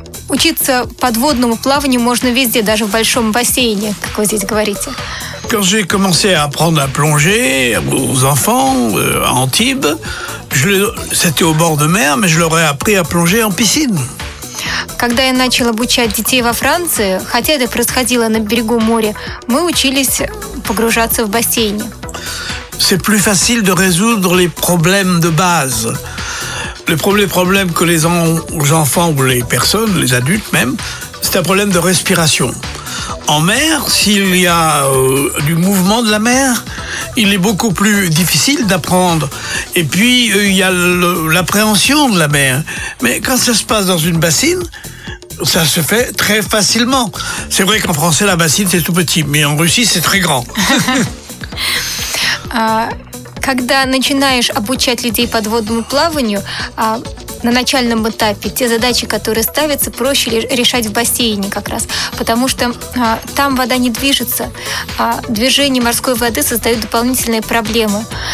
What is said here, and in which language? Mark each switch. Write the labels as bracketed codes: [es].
[ru] Учиться подводному плаванию можно везде, даже в большом бассейне, как вы здесь говорите. [fr] Quand j'ai commencé à apprendre à plonger aux enfants à Antibes, c'était au bord de mer, mais je leur ai appris à plonger en piscine. [ru] Когда я начал обучать детей во Франции, хотя это происходило на берегу моря, мы учились погружаться в бассейне. [fr] C'est plus facile de résoudre les problèmes de base. Les problèmes que les enfants ou les personnes, les adultes même, c'est un problème de respiration. En mer, s'il y a du mouvement de la mer, il est beaucoup plus difficile d'apprendre. Et puis, il y a l'appréhension de la mer. Mais quand ça se passe dans une bassine, ça se fait très facilement. C'est vrai qu'en français, la bassine, c'est tout petit, mais en Russie, c'est très grand. [ru] Когда начинаешь обучать людей подводному плаванию, на начальном этапе те задачи, которые ставятся, проще решать в бассейне как раз, потому что там вода не движется, а движение морской воды создает дополнительные проблемы.